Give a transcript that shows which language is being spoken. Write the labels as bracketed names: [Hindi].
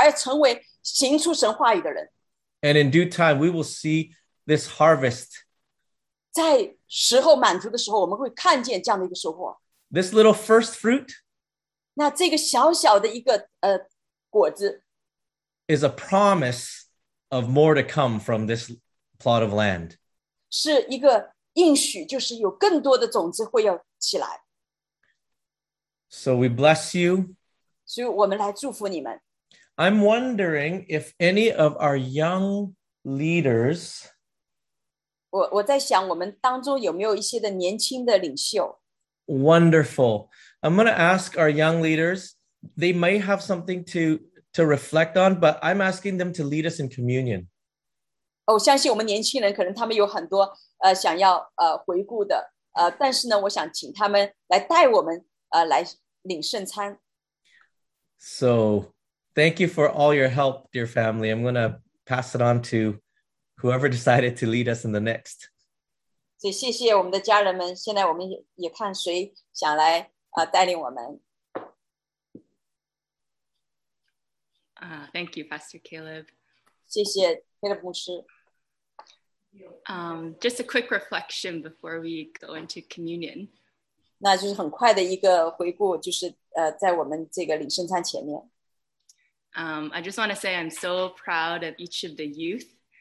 [Chinese] 所以我们不要只是听神的话，而成为行出神话语的人。 [English] And in due time, we will see this harvest. [Chinese] 在时候满足的时候，我们会看见这样的一个收获。 [English] This little first fruit. [Chinese] 那这个小小的一个果子。 [English] Is a promise of more to come from this plot of land. [Chinese] 是一个。应许就是有更多的种子会要起来。 [English] So we bless you. [Chinese] 所以我们来祝福你们。 [English] I'm wondering if any of our young leaders [Chinese] 我在想我们当中有没有一些的年轻的领袖。 [English] Wonderful. I'm going to ask our young leaders, they may have something to reflect on, but I'm asking them to lead us in communion. [Chinese] 我相信我们年轻人可能他们有很多想要回顾的，但是呢，我想请他们来带我们来领圣餐。 [English] So thank you. Thank you for all your help, dear family. I'm going to pass it on to whoever decided to lead us in the next. [Chinese] 谢谢我们的家人们, 现在我们也看谁想来, 带领我们。 [English] Thank you, Pastor Caleb. [Chinese] 谢谢Caleb牧师。 [English] Just a quick reflection before we go into communion. [Chinese] 那就是很快的一个回顾, 就是, 在我们这个领圣餐前面。 [English] I just want to say I'm so proud of each of the youth.